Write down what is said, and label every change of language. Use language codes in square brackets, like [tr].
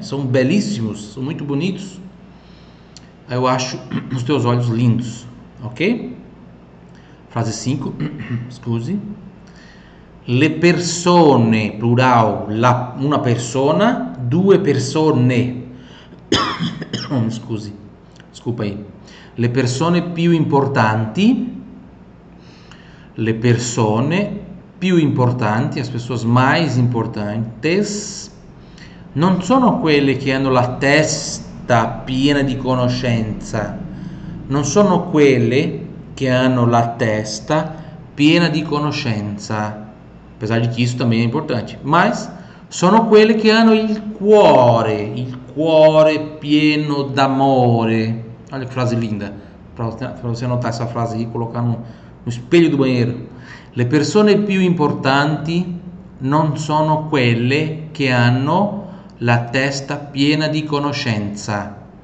[pt] São belíssimos, são muito bonitos. Eu acho os teus olhos lindos, ok? Frase 5. [it] Scusi. Le persone, plural, una persona, due persone. Scusi, scusa aí. Le persone più importanti, le persone più importanti, [pt] as pessoas mais importantes, [it] non sono quelle che hanno la testa piena di conoscenza, non sono quelle che hanno la testa piena di conoscenza. [pt] Apesar de que isso também é importante. [it] Mas, sono quelle che hanno il cuore pieno d'amore. [pt] Olha que frase linda. Para você anotar essa frase aí e colocar no espelho do banheiro. [it] Le persone più importanti non sono quelle che hanno la testa piena di conoscenza.